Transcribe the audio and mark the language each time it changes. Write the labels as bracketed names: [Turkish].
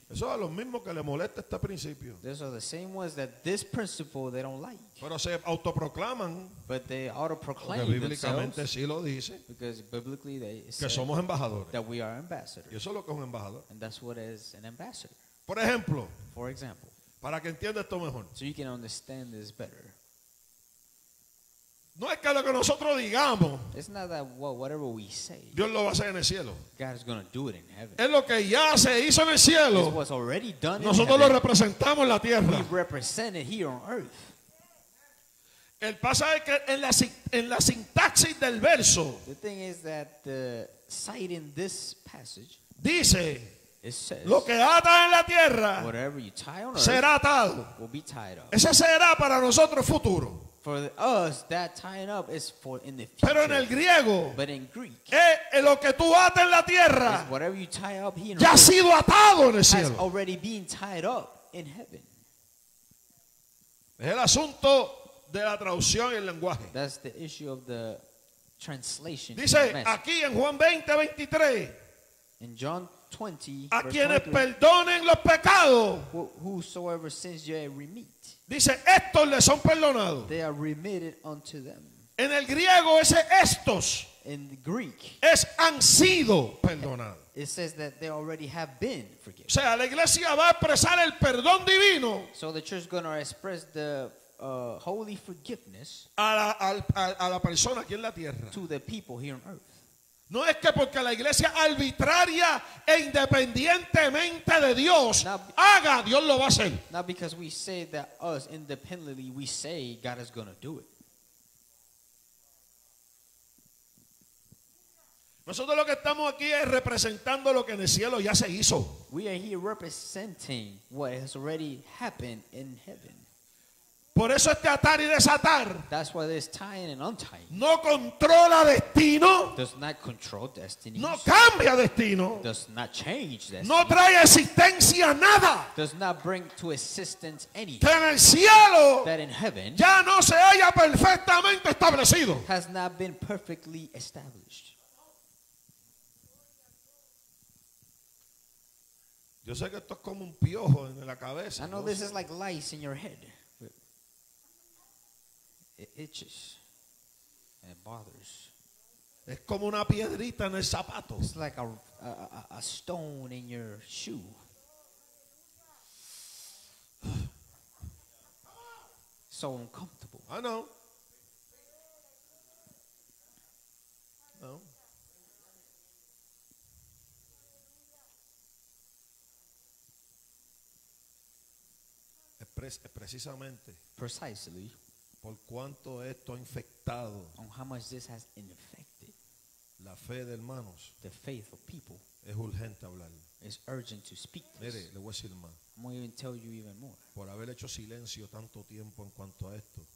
[Spanish] Eso es lo mismo que le molesta este principio. [English] These are the same ones that this principle they don't like. [Spanish] Pero se autoproclaman. [English] But they auto-proclaim themselves. Porque bíblicamente sí lo dice. Because biblically they [Spanish] que somos embajadores. [English] That we are ambassadors. [Spanish] Y eso es lo que es un embajador. [English] And that's what is an ambassador. [Spanish] Por ejemplo. [English] For example. [Spanish] Para que entiendas esto mejor. [English] So you can understand this better. [Spanish] No es que lo que nosotros digamos. [English] It's not that well, whatever we say. [Spanish] Dios lo va a hacer en el cielo. [English] God is going to do it in heaven. [Spanish] Es lo que ya se hizo en el cielo. [English] It's what's already done. [Spanish] Nosotros [English] in heaven. [Spanish] Lo representamos en la tierra. [English] We represent it here on earth. [Spanish] El pasaje es que en la sintaxis del verso. [English] The thing is that the sight in this passage. [Spanish] Dice. [English] It says, [Spanish] lo que ata en la tierra. [English] Whatever you tie on earth. [Spanish] Será atado. [English] Will be tied up. [Spanish] Ese será para nosotros futuro. [English] For us, that tying up is for in the future. [Spanish] Pero en el griego, [English] but in Greek, [Spanish] es lo que tú atas en la tierra, [English] is whatever you tie up here [Spanish] ya ha sido atado en el cielo. [English] Has already been tied up in heaven. [Spanish] Es el asunto de la traducción y el lenguaje. [English] That's the issue of the translation. [Spanish] Dice aquí en Juan 20, 23. [English] In John 20, [Spanish] a quienes perdonen los pecados. [English] Whosoever sins you remit. [Spanish] Dice, estos les son perdonados. [English] They are remitted unto them. [Spanish] En el griego, ese estos [English] in the Greek, [Spanish] es han sido perdonados. [English] It says that they already have been forgiven. [Spanish] O sea, la iglesia va a expresar el perdón divino. [English] So the church is going to express the holy forgiveness [Spanish] a la persona aquí en la tierra. [English] To the people here on earth. [Spanish] No es que porque la iglesia arbitraria e independientemente de Dios haga, Dios lo va a hacer. [English] Not because we say that us independently we say God is going to do it. [Spanish] Nosotros lo que estamos aquí es representando lo que en el cielo ya se hizo. [English] We are here representing what has already happened in heaven. [Spanish] Por eso este atar y desatar, [English] that's why this tying and untying, [Spanish] no controla destino, [English] does not control destiny, [Spanish] no cambia destino, [English] does not change destiny, [Spanish] no trae existencia nada, [English] does not bring to existence anything, [Spanish] que en el cielo, [English] that in heaven, [Spanish] ya no se haya perfectamente establecido, [English] has not been perfectly established. [Spanish] Yo sé que esto es como un piojo en la cabeza. [English] I know this is like lice in your head. It itches and it bothers. [Spanish] Es como una piedrita en el zapato. [English] It's like a stone in your shoe. So uncomfortable. I know. [Spanish] No. Precisamente. [English] Precisely. [Spanish] Por cuánto esto ha infectado. [English] On how much this has infected. [Spanish] La fe de hermanos. [English] The faith of people. [Spanish] Es urgente hablar. [English] It's urgent to speak this. [Spanish] Mire, le voy a decir más. [English] I'm going to even tell you even more. [Spanish] Por haber hecho silencio tanto tiempo en cuanto a esto.